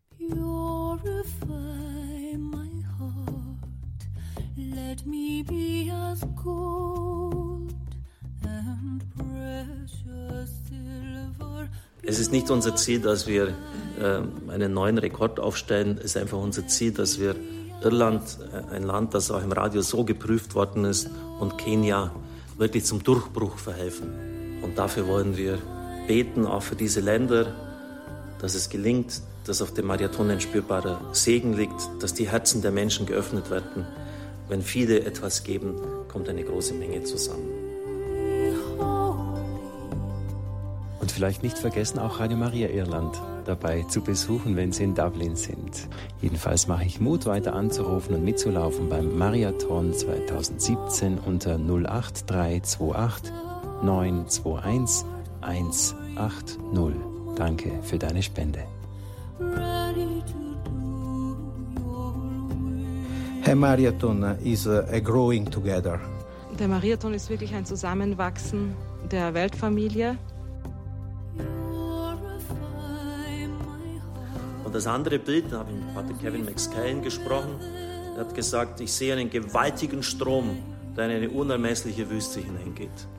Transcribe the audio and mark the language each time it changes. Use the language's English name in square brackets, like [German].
[English] Purify my heart, let me be as gold and precious silver. [German] Es ist nicht unser Ziel, dass wir einen neuen Rekord aufstellen. Es ist einfach unser Ziel, dass wir Irland, ein Land, das auch im Radio so geprüft worden ist, und Kenia wirklich zum Durchbruch verhelfen. Und dafür wollen wir beten auch für diese Länder, dass es gelingt, dass auf dem Marathon ein spürbarer Segen liegt, dass die Herzen der Menschen geöffnet werden. Wenn viele etwas geben, kommt eine große Menge zusammen. Und vielleicht nicht vergessen, auch Radio Maria Irland dabei zu besuchen, wenn Sie in Dublin sind. Jedenfalls mache ich Mut, weiter anzurufen und mitzulaufen beim Marathon 2017 unter 08328 921 180. Danke für deine Spende. [English] A Marathon is a growing together. [German] Der Marathon ist wirklich ein Zusammenwachsen der Weltfamilie. Und das andere Bild, da habe ich mit Pater Kevin McScallion gesprochen, er hat gesagt, ich sehe einen gewaltigen Strom, der in eine unermessliche Wüste hineingeht.